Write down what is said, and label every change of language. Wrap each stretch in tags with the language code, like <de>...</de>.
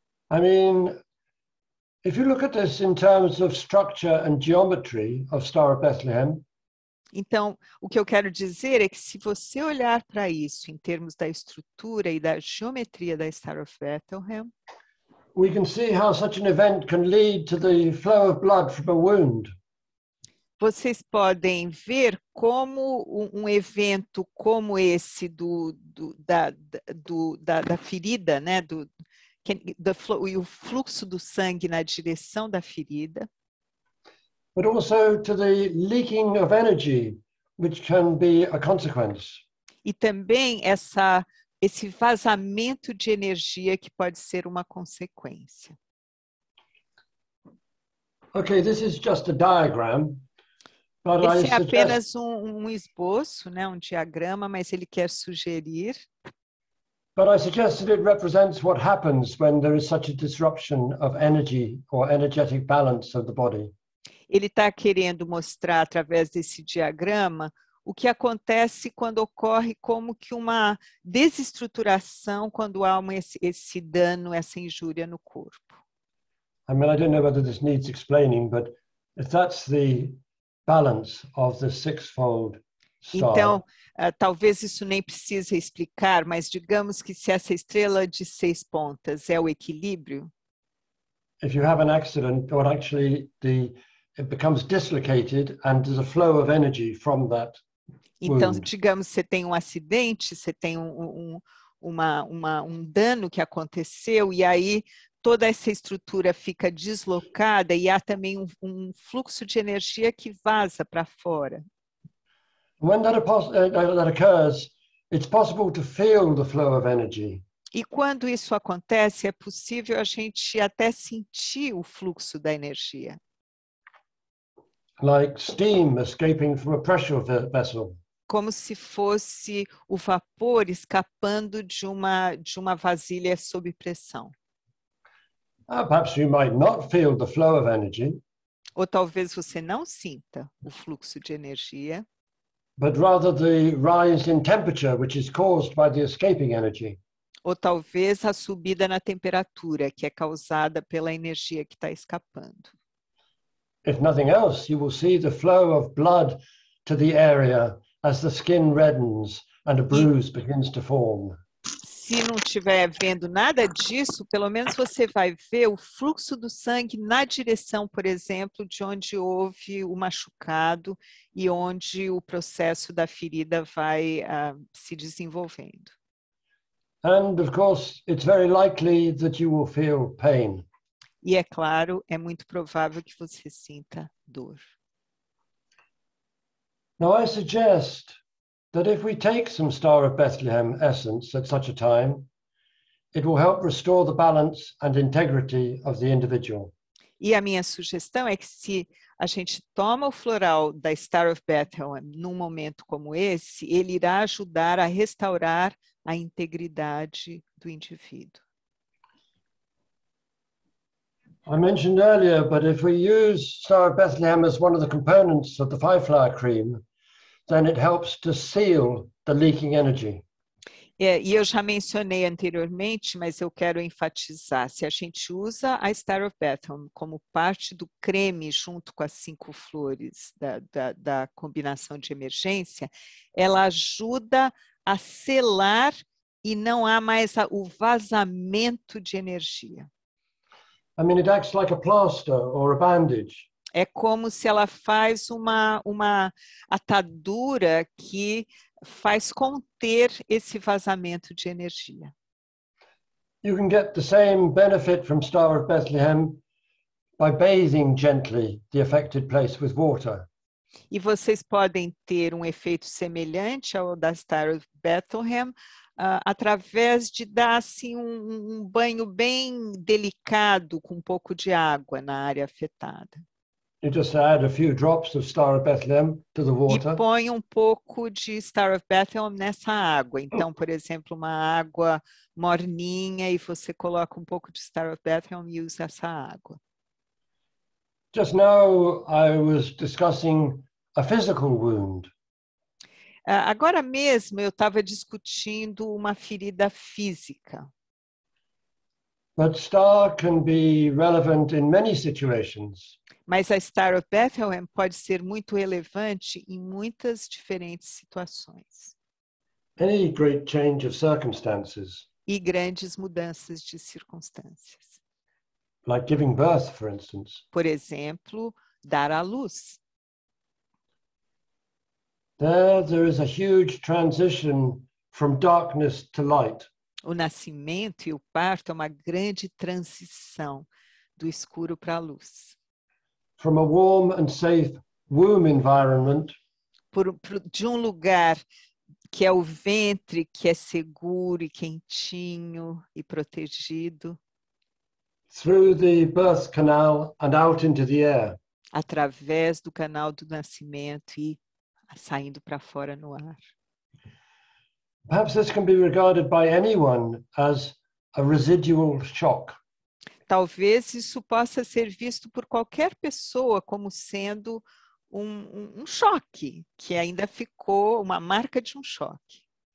<en>I mean, if you look at this in terms of structure and geometry of Star of Bethlehem.</en> <pt>Então, o que eu quero dizer é que se você olhar para isso em termos da estrutura e da geometria da Star of Bethlehem,</pt> <en>we can see how such an event can lead to the flow of blood from a wound.</en> <pt>Vocês podem ver como um evento como esse da ferida, né, o fluxo do sangue na direção da ferida.</pt> <en>But also to the leaking of energy, which can be a consequence.</en> <pt>E também esse vazamento de energia que pode ser uma consequência.</pt> <en>Okay, this is just a diagram. But</en> <pt>esse</pt> <en>I suggest...</en> <pt>é apenas um esboço, né, um diagrama, mas ele quer sugerir.</pt> <en>But I suggest that it represents what happens when there is such a disruption of energy or energetic balance of the body.</en> <pt>Ele está querendo mostrar através desse diagrama o que acontece quando ocorre como que uma desestruturação quando há esse dano, essa injúria no corpo.</pt> <en>I mean, I don't know whether this needs explaining, but if that's the balance of the sixfold.</en> <pt>Então, talvez isso nem precise explicar, mas digamos que se essa estrela de seis pontas é o equilíbrio.</pt> <en>If you have an accident, or actually it becomes dislocated and there's a flow of energy from that wound.</en> <pt>Então, digamos, você tem um acidente, você tem um dano que aconteceu e aí toda essa estrutura fica deslocada e há também um fluxo de energia que vaza para fora.</pt> <en>When that occurs, it's possible to feel the flow of energy.</en> <pt>E quando isso acontece, é possível a gente até sentir o fluxo da energia.</pt> <en>Like steam escaping from a pressure vessel.</en> <pt>Como se fosse o vapor escapando de uma vasilha sob pressão.</pt> <en>Perhaps you might not feel the flow of energy.</en> <pt>Ou talvez você não sinta o fluxo de energia.</pt> <en>But rather the rise in temperature, which is caused by the escaping energy.</en> <pt>Ou talvez a subida na temperatura, que é causada pela energia que está escapando.</pt> <en>If nothing else, you will see the flow of blood to the area as the skin reddens and a bruise begins to form.</en> <pt>Se não estiver vendo nada disso, pelo menos você vai ver o fluxo do sangue na direção, por exemplo, de onde houve o machucado e onde o processo da ferida vai se desenvolvendo.</pt> <en>And of course, it's very likely that you will feel pain.</en> <pt>E é claro, é muito provável que você sinta dor.</pt> <en>Now I suggest that if we take some Star of Bethlehem essence at such a time, it will help restore the balance and integrity of the individual.</en> <pt>E a minha sugestão é que se a gente toma o floral da Star of Bethlehem num momento como esse, ele irá ajudar a restaurar a integridade do indivíduo.</pt> <en>I mentioned earlier, but if we use Star of Bethlehem as one of the components of the five flower cream, then it helps to seal the leaking energy.</en> <pt>É, e eu já mencionei anteriormente, mas eu quero enfatizar, se a gente usa a Star of Bethlehem como parte do creme junto com as cinco flores da combinação de emergência, ela ajuda a selar e não há mais o vazamento de energia.</pt> <en>I mean, it acts like a plaster or a bandage.</en> <pt>É como se ela faz uma atadura que faz conter esse vazamento de energia.</pt> <en>You can get the same benefit from Star of Bethlehem by bathing gently the affected place with water.</en> <pt>E vocês podem ter um efeito semelhante ao da Star of Bethlehem através de dar assim um banho bem delicado com um pouco de água na área afetada.</pt> <en>You just add a few drops of Star of Bethlehem to the water.</en> <pt>E põe um pouco de Star of Bethlehem nessa água. Então, por exemplo, uma água morninha e você coloca um pouco de Star of Bethlehem e usa essa água.</pt> <en>Just now I was discussing a physical wound.</en> <pt>Agora mesmo eu estava discutindo uma ferida física.</pt> <en>But Star can be relevant in many situations.</en> <pt>Mas a Star of Bethlehem pode ser muito relevante em muitas diferentes situações.</pt> <en>Any great change of circumstances.</en> <pt>E grandes mudanças de circunstâncias.</pt> <en>Like giving birth, for instance.</en> <pt>Por exemplo, dar à luz.</pt> <en>There is a huge transition from darkness to light.</en> <pt>O nascimento e o parto é uma grande transição do escuro para a luz.</pt> <en>From a warm and safe womb environment.</en> <pt>De um lugar que é o ventre, que é seguro e quentinho e protegido.</pt> <en>Through the birth canal and out into the air.</en> <pt>Através do canal do nascimento e saindo para fora no ar.</pt> <en>Perhaps this can be regarded by anyone as a residual shock.</en> <pt>Talvez isso possa ser visto por qualquer pessoa como sendo um choque, que ainda ficou uma marca de um choque.</pt>